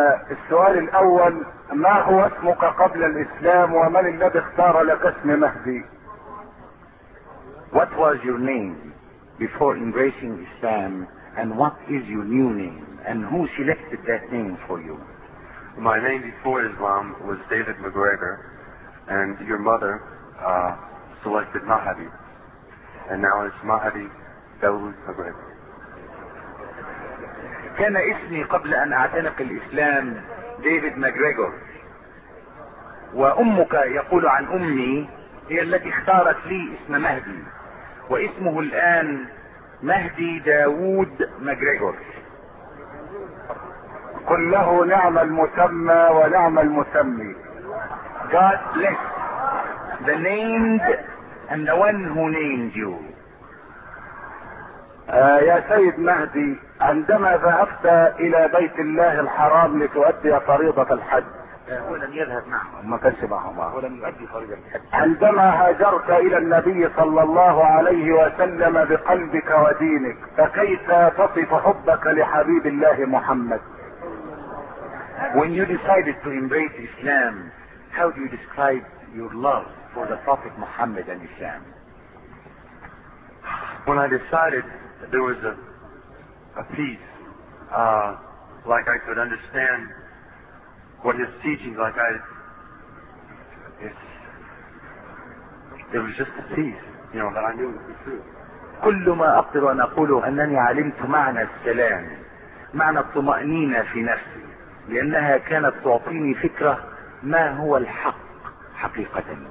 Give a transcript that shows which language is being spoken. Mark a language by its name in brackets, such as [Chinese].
[Arabic] السؤال الأول، ما هو اسمك قبل الإسلام ومن الذي اختار لك اسم مهدي؟ [English] What was your name before embracing Islam and what is your new name and who selected that name for you? My name before Islam was David McGregor and your mother selected Mahdi and now it's Mahdi Dawood McGregor. [Arabic] كان اسمي قبل ان اعتنق الاسلام ديفيد ماكغريغور، وامك يقول عن امي هي التي اختارت لي اسم مهدي، واسمه الان مهدي داوود ماكغريغور. قل له نعم المسمى ونعم المسمي. [English] God bless the named and the one who named you. [Arabic] يا سيد مهدي، عندما ذهبت الى بيت الله الحرام لتؤدي فريضة الحج، هو لم يذهب معهم، ما كانش معهم، هو لم يؤدي فريضة الحج. عندما هاجرت الى النبي صلى الله عليه وسلم بقلبك ودينك، فكيف تصف حبك لحبيب الله محمد؟ [English] When you decided to embrace Islam, how do you describe your love for the Prophet Muhammad and Islam? When I decided there was a peace, like I could understand what his teachings, like it was just a peace, you know, that I knew it was true. [Arabic] كل ما أقدر أن أقوله أنني علمت معنى السلام، معنى الطمأنينة في نفسي، لأنها كانت تعطيني فكرة ما هو الحق حقيقة.